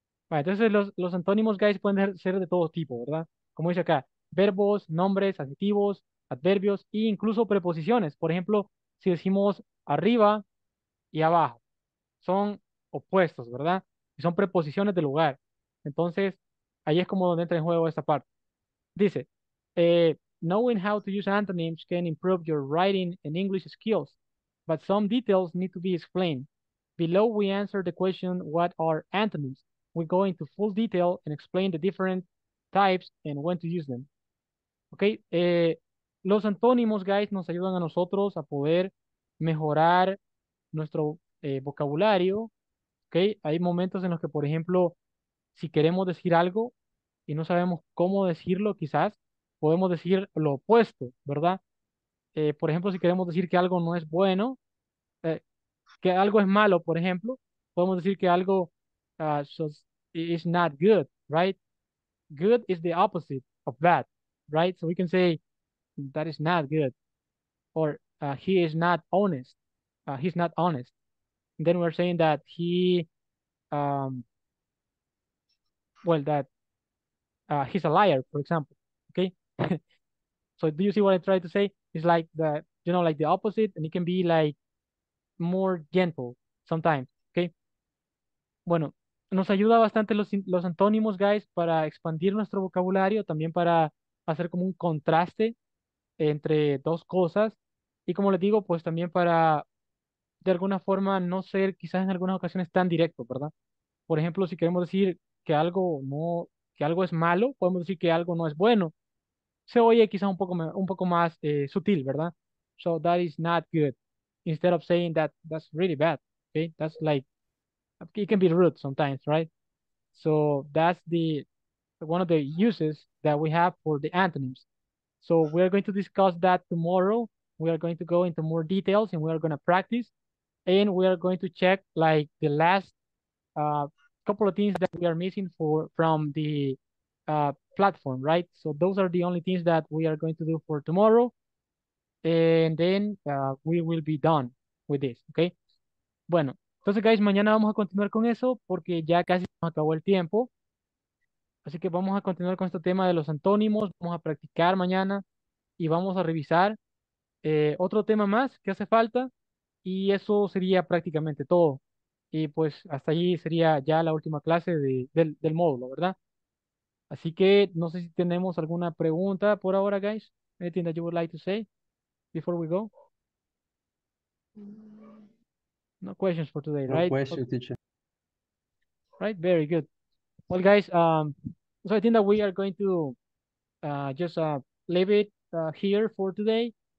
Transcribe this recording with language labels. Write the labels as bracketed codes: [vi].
[es] Vale, entonces los antónimos, guys, pueden ser de todo tipo, ¿verdad? Como dice acá, verbos, nombres, adjetivos, adverbios e incluso preposiciones. Por ejemplo, si decimos arriba y abajo, son opuestos, ¿verdad? Y son preposiciones de lugar. Entonces, ahí es como donde entra en juego esta parte. [en] Dice, knowing how to use antonyms can improve your writing and English skills, but some details need to be explained. Below, we answer the question, what are antonyms? We go into full detail and explain the different types and when to use them. [es] Ok, los antónimos, guys, nos ayudan a nosotros a poder mejorar nuestro vocabulario. Ok, hay momentos en los que, por ejemplo, si queremos decir algo y no sabemos cómo decirlo, quizás podemos decir lo opuesto, ¿verdad? Por ejemplo, si queremos decir que algo no es bueno, que algo es malo, por ejemplo, podemos decir que algo [en] is not good, right? Good is the opposite of bad, right? So we can say that is not good, or he is not honest. He's not honest. And then we're saying that he, well, that he's a liar, for example. Okay. So do you see what I try to say? It's like the, you know, like the opposite, and it can be like more gentle sometimes. Okay. [es] Bueno. Nos ayuda bastante los antónimos, guys, para expandir nuestro vocabulario, también para hacer como un contraste entre dos cosas. Y como les digo, pues también para, de alguna forma, no ser quizás en algunas ocasiones tan directo, ¿verdad? Por ejemplo, si queremos decir que algo no, que algo es malo, podemos decir que algo no es bueno. Se oye quizás un poco más sutil, ¿verdad? [en] So that is not good. Instead of saying that, that's really bad. Okay, that's like, it can be rude sometimes, right? So that's the one of the uses that we have for the antonyms. So we are going to discuss that tomorrow. We are going to go into more details and we are going to practice. And we are going to check like the last couple of things that we are missing from the platform, right? So those are the only things that we are going to do for tomorrow. And then we will be done with this, okay? [es] Bueno. Entonces, guys, mañana vamos a continuar con eso porque ya casi nos acabó el tiempo. Así que vamos a continuar con este tema de los antónimos. Vamos a practicar mañana y vamos a revisar otro tema más que hace falta. Y eso sería prácticamente todo. Y pues hasta allí sería ya la última clase del módulo, ¿verdad? Así que no sé si tenemos alguna pregunta por ahora, guys. [en] Anything that you would like to say before we go? No questions for today, no right? No questions, okay. Teacher. Right, very good. Well, guys, so I think that we are going to leave it here for today.